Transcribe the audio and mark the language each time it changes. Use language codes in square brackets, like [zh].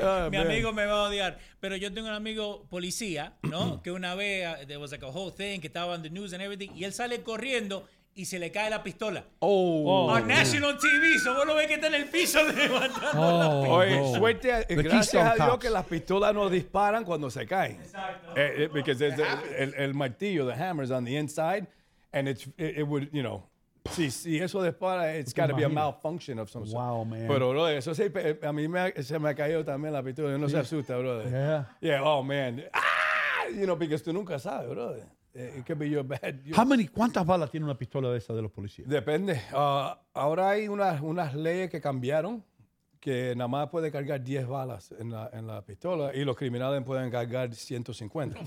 [es] Mi amigo me va a odiar. Pero yo tengo un amigo policía, ¿no? Que una vez, [en] there was like a whole thing, [es] que estaba en [en] the news and everything, [es] y él sale corriendo y se le cae la pistola. Oh. [en] On national TV. [es] So vos lo ves que está en el piso levantando la pistola. Oye, suerte. Gracias a Dios que las pistolas no disparan cuando se caen. Exacto. Porque es el martillo, [en] the hammer's on the inside, and it would, you know. [es] Sí, eso dispara, [en] it's got to be a malfunction of some sort. Wow, man. [es] Pero, bro, eso sí, a mí se me ha caído también la pistola. No se asusta, bro. [en] Yeah. Yeah, oh, man. Ah, you know, because [es] tú nunca sabes, bro. [en] It could be your bad. [es] ¿Cuántas balas tiene una pistola de esa de los policías? Depende. Ahora hay unas leyes que cambiaron que nada más puede cargar 10 balas en la pistola y los criminales pueden cargar 150.